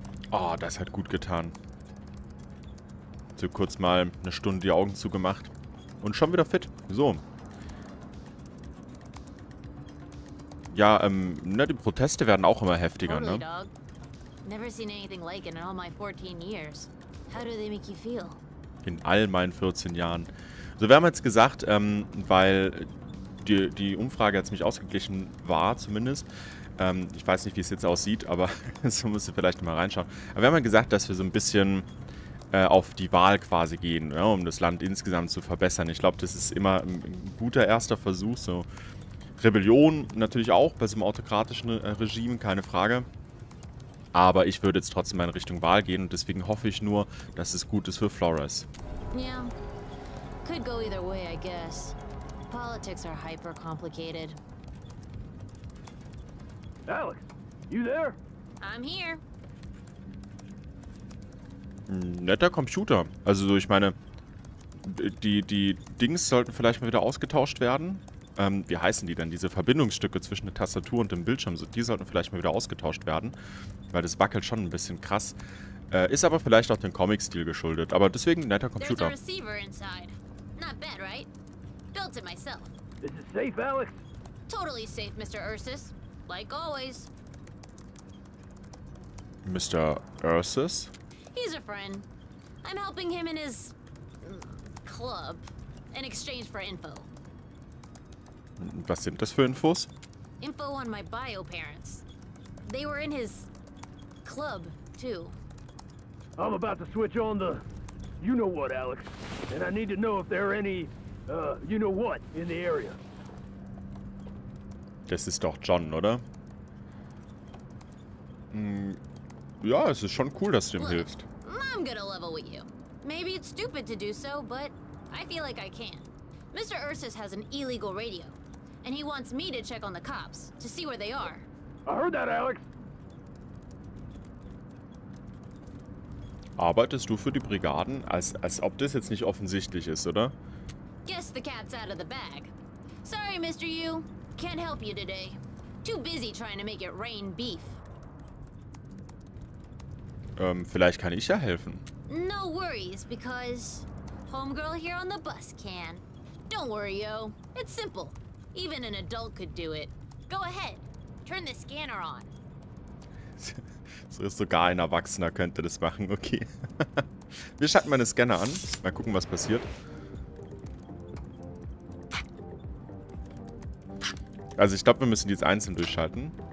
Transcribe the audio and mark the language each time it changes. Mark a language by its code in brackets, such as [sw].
[de] Oh, das hat gut getan. So kurz mal eine Stunde die Augen zugemacht. Und schon wieder fit. So. Ja, ne, die Proteste werden auch immer heftiger, ne? [en] Never seen anything like it in all my 14 years. How do they make you feel? [de] In all meinen 14 Jahren. So, wir haben jetzt gesagt, weil die Umfrage jetzt nicht ausgeglichen war, zumindest. Ich weiß nicht, wie es jetzt aussieht, aber so müsst ihr vielleicht mal reinschauen. Aber wir haben ja gesagt, dass wir so ein bisschen auf die Wahl quasi gehen, ja, um das Land insgesamt zu verbessern. Ich glaube, das ist immer ein guter erster Versuch. So Rebellion natürlich auch bei so einem autokratischen Regime, keine Frage. Aber ich würde jetzt trotzdem mal in Richtung Wahl gehen und deswegen hoffe ich nur, dass es gut ist für Flores. Ja, könnte gehen, [en] either way, I guess. Politics are hyper complicated. Alex, you there? I'm here. [de] Netter Computer. Also so, ich meine, die Dings sollten vielleicht mal wieder ausgetauscht werden. Wie heißen die denn? Diese Verbindungsstücke zwischen der Tastatur und dem Bildschirm, so, die sollten vielleicht mal wieder ausgetauscht werden. Weil das wackelt schon ein bisschen krass. Ist aber vielleicht auch dem Comic-Stil geschuldet. Aber deswegen netter Computer. [en] There's a receiver inside. Not bad, right? Built it myself. Is it safe, Alex? Totally safe, Mr. Ursus. Like always. Mr. Ursus? He's a friend. I'm helping him in his club in exchange for info. [de] Was sind das für Infos? [en] Info on my bio parents. They were in his club too. I'm about to switch on the you know what, Alex, and I need to know if there are any you know what in the area. [de] Das ist doch John, oder? Ja, es ist schon cool, dass du ihm hilfst. [en] I'm gonna level with you. Maybe it's stupid to do so, but I feel like I can. Mr. Ursus has an illegal radio, and he wants me to check on the cops to see where they are. I heard that, Alex. [de] Arbeitest du für die Brigaden? Als ob das jetzt nicht offensichtlich ist, oder? [en] Guess the cat's out of the bag. Sorry, Mr. Yu. Can't help you today. Too busy trying to make it rain beef. [de] Vielleicht kann ich ja helfen. [en] No worries, because homegirl here on the bus can. Don't worry, yo. It's simple. Even an adult could do it. Go ahead. Turn the scanner on. [de] So ist sogar ein Erwachsener könnte das machen, okay. Wir schalten meine Scanner an. Mal gucken, was passiert. Also ich glaube, wir müssen die jetzt einzeln durchschalten.